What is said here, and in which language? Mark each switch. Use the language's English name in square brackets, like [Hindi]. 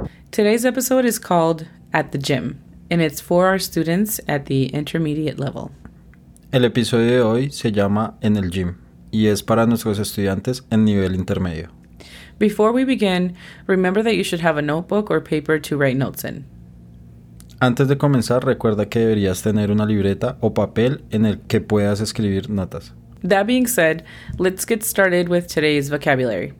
[English] Today's episode is called At the Gym, and it's for our students at the intermediate level. [Spanish] El episodio de hoy se llama En el Gym, y es para nuestros estudiantes en nivel intermedio. [English] Before we begin, remember that you should have a notebook or paper to write notes in. [Spanish] Antes de comenzar, recuerda que deberías tener una libreta o papel en el que puedas escribir notas. [English] That being said, let's get started with today's vocabulary.